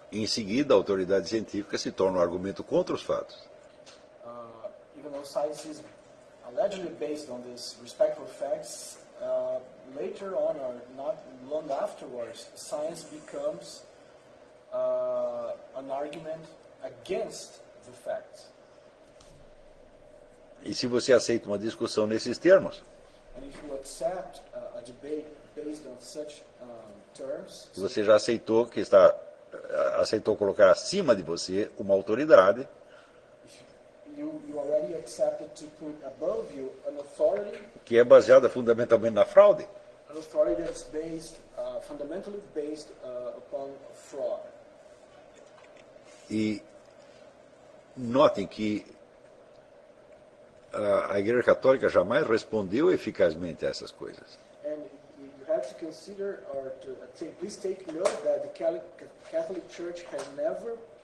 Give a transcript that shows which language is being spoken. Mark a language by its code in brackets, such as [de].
[pt] em seguida a autoridade científica se torna um argumento contra os fatos. [en] Even though science is allegedly based on this respect for facts, later on or not long afterwards, science becomes an argument against the facts. [pt] E se você aceita uma discussão nesses termos? [en] And if you accept a debate based on such terms, [pt] você já aceitou que está aceitou colocar acima de você uma autoridade? [en] You already accepted to put above you an authority [pt] que é baseada fundamentalmente na fraude. [en] An authority that's based, fundamentally based upon fraud. [pt] E notem que a Igreja Católica jamais respondeu eficazmente a essas coisas. [en] And you have to consider or to please take note that the Catholic Church has never